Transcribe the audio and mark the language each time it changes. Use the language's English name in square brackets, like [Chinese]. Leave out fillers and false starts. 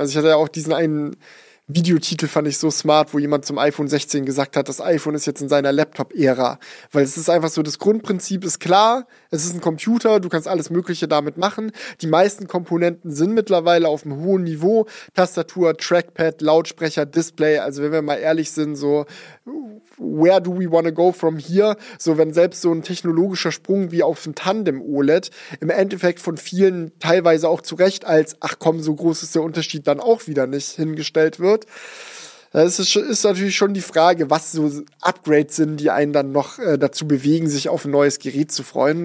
[German] Also ich hatte ja auch diesen einen Videotitel, fand ich so smart, wo jemand zum iPhone 16 gesagt hat, das iPhone ist jetzt in seiner Laptop-Ära. Weil es ist einfach so, das Grundprinzip ist klar, es ist ein Computer, du kannst alles Mögliche damit machen. Die meisten Komponenten sind mittlerweile auf einem hohen Niveau. Tastatur, Trackpad, Lautsprecher, Display, also wenn wir mal ehrlich sind, so... [English] Where do we want to go from here? [German] So, wenn selbst so ein technologischer Sprung wie auf ein Tandem-OLED im Endeffekt von vielen teilweise auch zu Recht als, ach komm, so groß ist der Unterschied, dann auch wieder nicht hingestellt wird. Das ist natürlich schon die Frage, was so Upgrades sind, die einen dann noch dazu bewegen, sich auf ein neues Gerät zu freuen.